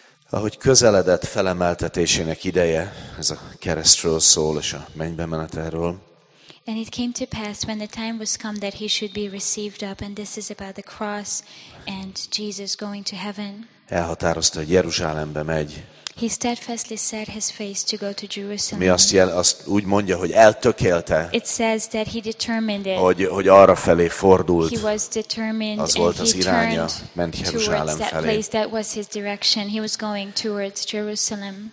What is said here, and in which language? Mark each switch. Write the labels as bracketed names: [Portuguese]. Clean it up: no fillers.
[Hungarian] Ahogy közeledett felemeltetésének ideje, ez a keresztről szól és a mennybe menetelről. [English] And it came to pass when the time was come that he should be received up, and this is about the cross and Jesus going to heaven. [Hungarian] Elhatározta, hogy Jeruzsálembe megy. [English] He steadfastly set his face to go to Jerusalem. [Hungarian] Mi azt úgy mondja, hogy eltökélte. [English] It says that he determined it. [Hungarian] Hogy arra felé fordult. [English] He was determined. [Hungarian] Az volt az iránya, ment Jeruzsálem felé. [English] Towards that place, that was his direction. He was going towards Jerusalem.